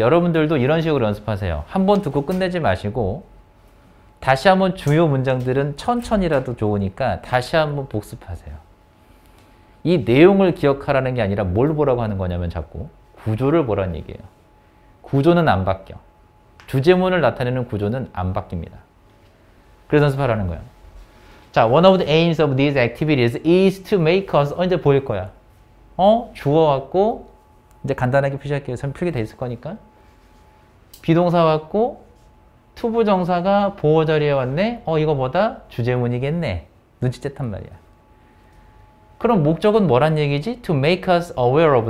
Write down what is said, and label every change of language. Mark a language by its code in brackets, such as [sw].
[ko] 여러분들도 이런 식으로 연습하세요. 한번 듣고 끝내지 마시고 다시 한번 주요 문장들은 천천히라도 좋으니까 다시 한번 복습하세요. 이 내용을 기억하라는 게 아니라 뭘 보라고 하는 거냐면 자꾸 구조를 보라는 얘기예요. 구조는 안 바뀌어. 주제문을 나타내는 구조는 안 바뀝니다. 그래서 연습하라는 거예요. 자, [en] one of the aims of these activities is to make us, [ko] 이제 보일 거야. 주어 왔고, 이제 간단하게 표시할게요. 설명 필기 돼 있을 거니까. 비동사 왔고, 투부정사가 보호자리에 왔네. 이거 뭐다? 주제문이겠네. 눈치챘단 말이야. 그럼 목적은 뭐란 얘기지? [en] To make us aware of.